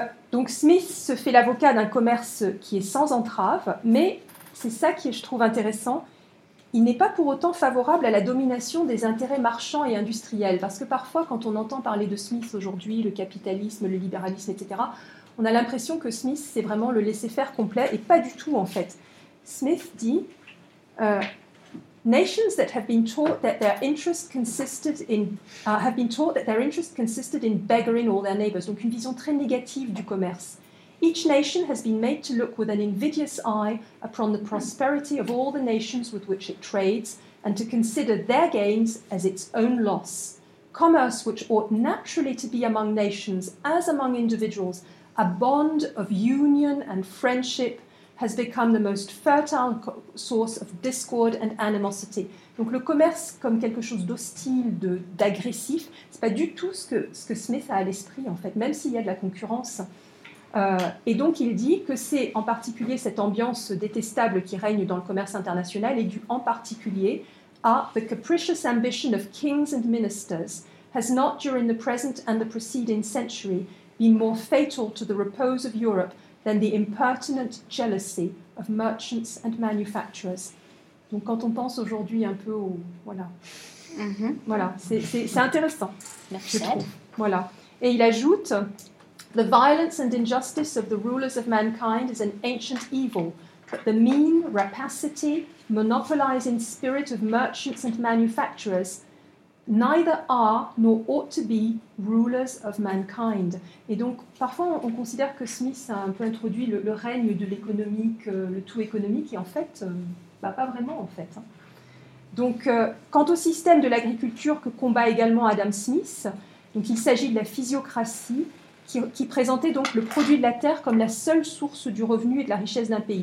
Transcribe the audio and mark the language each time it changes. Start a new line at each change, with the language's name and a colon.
French: Donc Smith se fait l'avocat d'un commerce qui est sans entrave, mais c'est ça qui je trouve intéressant, il n'est pas pour autant favorable à la domination des intérêts marchands et industriels, parce que parfois, quand on entend parler de Smith aujourd'hui, le capitalisme, le libéralisme, etc., on a l'impression que Smith, c'est vraiment le laisser-faire complet, et pas du tout, en fait. Smith dit...
English: Nations that have been taught that their interest consisted in have been taught that their interest consisted in beggaring all their neighbors.
French: Donc une vision très négative du commerce.
English: Each nation has been made to look with an invidious eye upon the prosperity of all the nations with which it trades and to consider their gains as its own loss. Commerce, which ought naturally to be among nations as among individuals, a bond of union and friendship, has become the most fertile source of discord and animosity.
French: Donc le commerce comme quelque chose d'hostile, d'agressif, c'est pas du tout ce que Smith a à l'esprit, en fait, même s'il y a de la concurrence. Et donc il dit que c'est en particulier cette ambiance détestable qui règne dans le commerce international est due en particulier à
English: « the capricious ambition of kings and ministers has not during the present and the preceding century been more fatal to the repose of Europe than the impertinent jealousy of merchants and manufacturers ».
French: Donc quand on pense aujourd'hui un peu au... Voilà. Mm-hmm. Voilà, c'est intéressant. Merci. Je trouve. Voilà. Et il ajoute...
English: The violence and injustice of the rulers of mankind is an ancient evil, but the mean, rapacity, monopolizing spirit of merchants and manufacturers neither are nor ought to be rulers of mankind.
French: Et donc, parfois, on considère que Smith a un peu introduit le règne de l'économique, le tout économique, et en fait, pas vraiment, en fait. Donc, quant au système de l'agriculture que combat également Adam Smith, donc il s'agit de la physiocratie, qui présentait donc le produit de la terre comme la seule source du revenu et de la richesse d'un pays.